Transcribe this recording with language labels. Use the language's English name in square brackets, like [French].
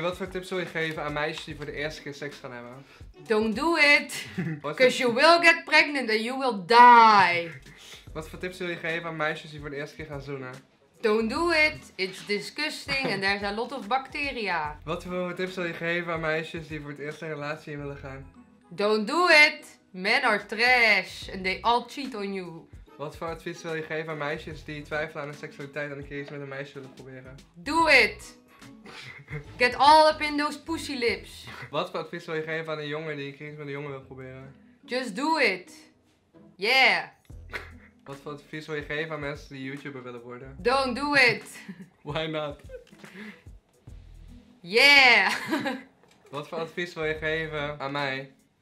[Dutch] Wat voor tips wil je geven aan meisjes die voor de eerste keer seks gaan hebben? [English] Don't do it. Because you will get pregnant and you will die. [Dutch] Wat voor tips wil je geven aan meisjes die voor de eerste keer gaan zoenen? [English] Don't do it, it's disgusting and there's a lot of bacteria. [Dutch] Wat voor tips zal je geven aan meisjes die voor het eerst een relatie in willen gaan? [English] Don't do it, men are trash and they all cheat on you. [Dutch] Wat voor advies wil je geven aan meisjes die twijfelen aan hun seksualiteit en een keer eens met een meisje willen proberen? [English] Do it! Get all up in those pussy lips. [Dutch] Wat voor advies wil je geven aan een jongen die een keer eens met een jongen wil proberen? [English] Just do it! Yeah! [Dutch] Wat voor advies wil je geven aan mensen die YouTuber willen worden? [English] Don't do it! Why not? Yeah! [Dutch] Wat voor advies wil je geven aan mij?